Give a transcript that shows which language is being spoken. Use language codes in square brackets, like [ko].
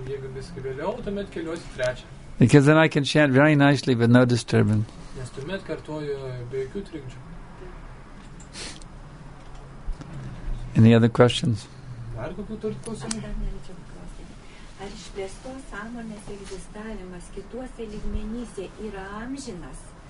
[lt] Jeigu viskai vėliau, tuomet keliuosi 3. [en] Because then I can chant very nicely with no disturbance. [lt] Nes tuomet kartuoju be jokių trikdžių. [en] Any other questions? [lt] Dar kokių turit klausimų? Dar nereikia paklausti. Ar išplėstos sąmonės egzistavimas kituose lygmenyse yra amžinas?